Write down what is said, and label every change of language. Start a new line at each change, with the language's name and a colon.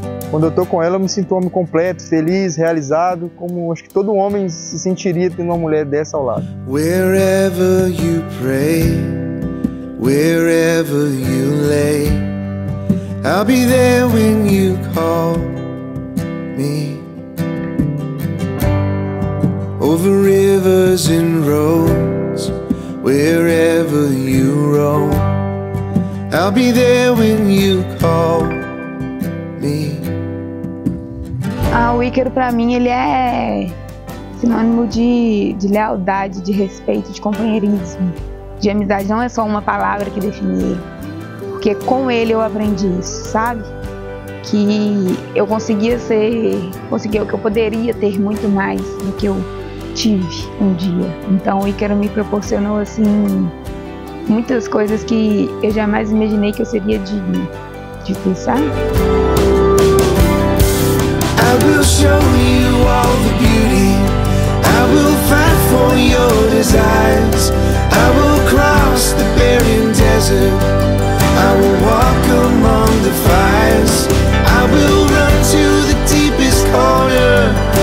Portuguese: Quando eu tô com ela, eu me sinto um homem completo, feliz, realizado, como acho que todo homem se sentiria tendo uma mulher dessa ao lado.
English: Wherever you pray, wherever you lay, I'll be there when you call me. Over rivers and roads, wherever you roam, I'll be there when you call me.
Portuguese: Ah, o Ícaro, pra mim, ele é sinônimo de lealdade, de respeito, de companheirismo, de amizade. Não é só uma palavra que define ele. Porque com ele eu aprendi isso, sabe? Que eu conseguia ser, conseguia, que eu poderia ter muito mais do que eu tive um dia. Então, o Ícaro me proporcionou, assim, muitas coisas que eu jamais imaginei que eu seria digno de ter, sabe?
English: I will show you all the beauty. I will fight for your desires. I will cross the barren desert. I will walk among the fires. I will run to the deepest corner.